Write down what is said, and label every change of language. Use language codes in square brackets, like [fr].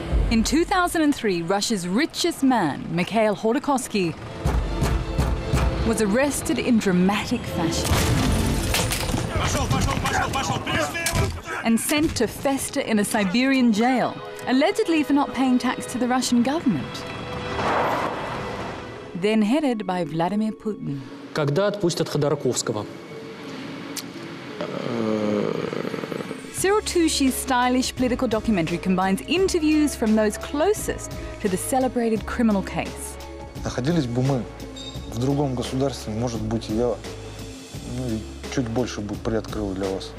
[en] In 2003, Russia's richest man, Mikhail Khodorkovsky, was arrested in dramatic fashion and sent to fester in a Siberian jail, allegedly for not paying tax to the Russian government. Then headed by Vladimir Putin. [ru] Когда отпустят Ходорковского? [en] Cyril Touché's stylish political documentary combines interviews from those closest to the celebrated criminal case. [ru] Находились бы мы в другом государстве, может быть, я чуть больше бы приоткрыл для вас.